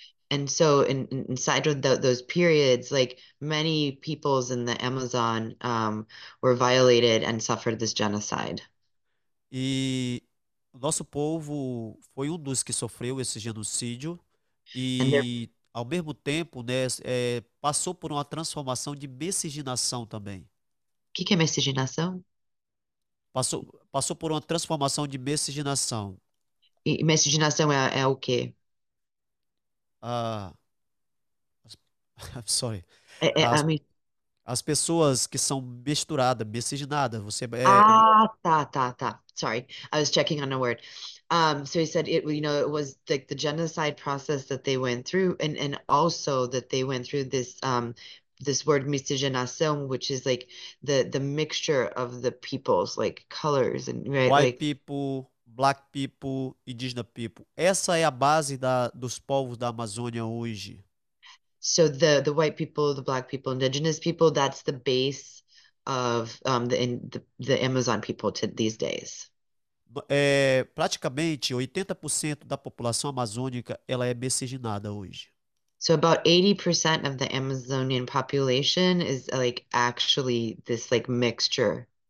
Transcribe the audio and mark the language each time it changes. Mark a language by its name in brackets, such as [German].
[English] And so inside of those periods, like many peoples in the Amazon were violated and suffered this genocide. [Portuguese] E o nosso povo foi um dos que sofreu esse genocídio [English] And their [Portuguese] e, ao mesmo tempo, né, passou por uma transformação de miscigenação também. que é miscigenação? Passou por uma transformação de miscigenação. E miscigenação é o quê? [English] Ah, sorry. [Portuguese] É a mim. As pessoas que são misturadas, miscigenadas, Ah, tá. [English] Sorry, I was checking on a word. So he said it, you know, it was like the genocide process that they went through, and also that they went through this this word miscigenação, which is like the mixture of the peoples, like colors and right, White like. people, black people, indigenous people. [Portuguese] Essa é a base dos povos da Amazônia hoje. [English] So the white people, the black people, indigenous people, that's the base of the Amazon people to these days. [Portuguese] Praticamente 80% da população amazônica ela é miscigenada hoje. [English] So about 80% of the Amazonian population is like actually this like mixture.